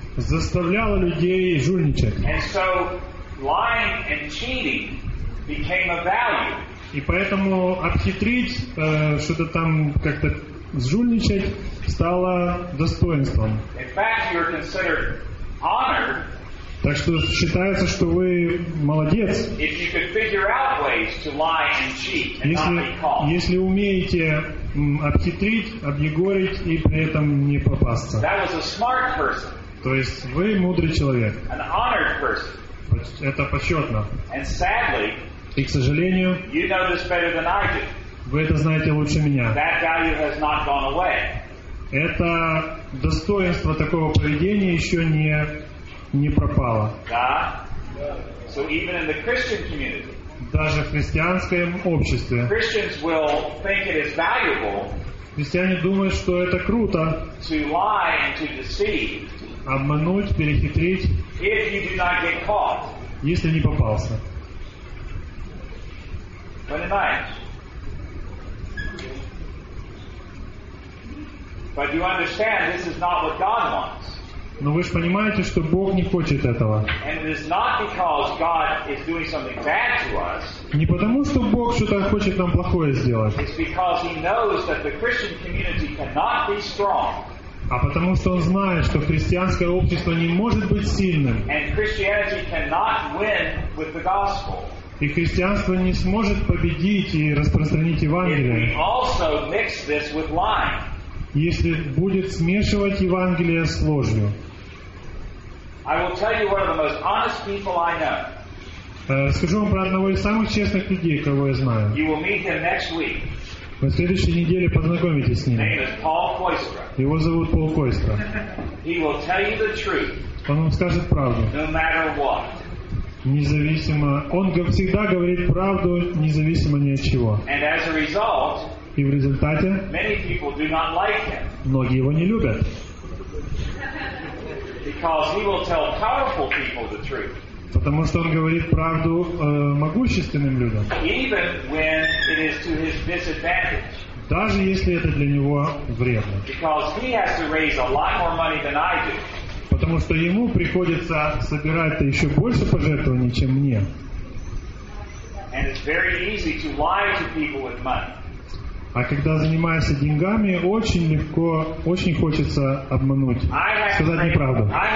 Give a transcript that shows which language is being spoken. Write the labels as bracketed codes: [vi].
[ru] Заставляло людей жульничать. [en] And so lying and cheating became a value. [ru] И поэтому обхитрить, что-то там как-то сжульничать стало достоинством. [en] In fact, you're considered honored. [ru] Так что считается, что вы молодец. [en] If you could figure out ways to lie and cheat and not be caught. [ru] Если умеете обхитрить, объегорить и при этом не попасться. [en] That was a smart person. [ru] То есть вы мудрый человек. [en] An honored person. [ru] Это почетно. [en] And sadly, [ru] и, к сожалению, [en] you know this better than I do. [ru] Вы это знаете лучше меня. [en] That value has not gone away. [ru] Это достоинство такого поведения еще не пропало. [en] Да. So even in the Christian community, [ru] даже в христианском обществе, [en] Christians will think it is valuable, [ru] христиане думают, что это круто, [en] to lie and to deceive, [ru] обмануть, перехитрить, [en] if you do not get caught, [ru] если не попался. 29. [en] But you understand this is not what God wants. [ru] Но вы же понимаете, что Бог не хочет этого. [en] And it is not because God is doing something bad to us. [ru] Не потому, что Бог что-то хочет нам плохое сделать. [en] It's because he knows that the Christian community cannot be strong. [ru] А потому, что он знает, что христианское общество не может быть сильным. [en] And Christianity cannot win with the gospel. [ru] И христианство не сможет победить и распространить Евангелие. [en] If we also mix this with lying. [ru] Если будет смешивать Евангелие с ложью. [en] I will tell you one of the most honest people I know. [ru] Скажу вам про одного из самых честных людей, кого я знаю. [en] You will meet him next week. [ru] На следующей неделе познакомитесь с ним. [en] His name is Paul Koistra. [ru] Его зовут Пол Койстра. [en] He will tell you the truth. [ru] Он вам скажет правду. [en] No matter what. [ru] Независимо. Он всегда говорит правду, независимо ни от чего. [en] And as a result, [ru] и в результате [en] many people do not like him. [ru] Многие его не любят. [en] Because he will tell powerful people the truth. [ru] Потому что он говорит правду могущественным людям. [en] Even when it is to his disadvantage. [ru] Даже если это для него вредно. [en] Because he has to raise a lot more money than I do. [ru] Потому что ему приходится собирать еще больше пожертвований, чем мне. [en] And it's very easy to lie to people with money. [ru] А когда занимаешься деньгами, очень легко, очень хочется обмануть, сказать неправду.